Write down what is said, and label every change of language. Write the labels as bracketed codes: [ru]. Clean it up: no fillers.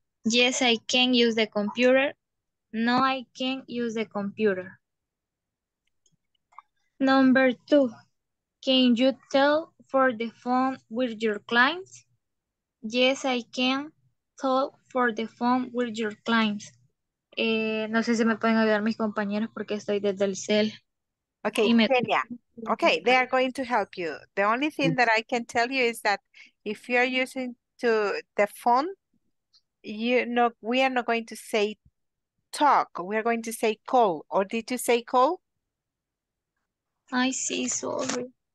[en] Yes, I can use the computer. No, I can't use the computer. Number two. Can you tell for the phone with your clients? Yes, I can talk for the phone with your clients. [es] No sé si me pueden ayudar mis compañeros porque estoy desde el cel. [en] Okay, Kenya. Okay, they are going to help you. The only thing that I can tell you is that if you are using to the phone, you know, we are not going to say talk. We are going to say call. Or did you say call? I see, sorry.